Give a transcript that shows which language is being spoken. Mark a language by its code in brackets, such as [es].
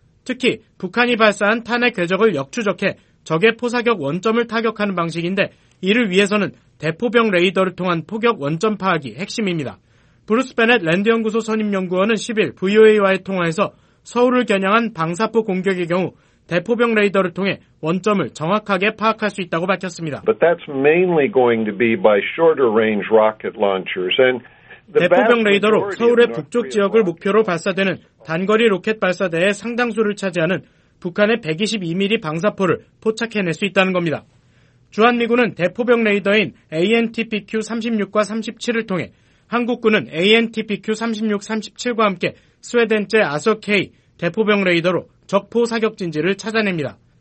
[ko] 특히 북한이 발사한 탄의 궤적을 역추적해 적의 포사격 원점을 타격하는 방식인데 이를 위해서는 대포병 레이더를 통한 포격 원점 파악이 핵심입니다. 브루스 베넷 랜드연구소 선임연구원은 10일 VOA와의 통화에서 서울을 겨냥한 방사포 공격의 경우 대포병 레이더를 통해 원점을 정확하게 파악할 수 있다고 밝혔습니다. [en] But that's mainly going to be by shorter range rocket launchers. And [ko] 대포병 레이더로 서울의 북쪽 지역을 목표로 발사되는 단거리 로켓 발사대의 상당수를 차지하는 북한의 122mm 방사포를 포착해낼 수 있다는 겁니다. 주한미군은 대포병 레이더인 ANTPQ-36과 37을 통해 한국군은 ANTPQ-36-37과 함께 스웨덴제 아서K 대포병 레이더로 적포 사격 진지를 찾아냅니다.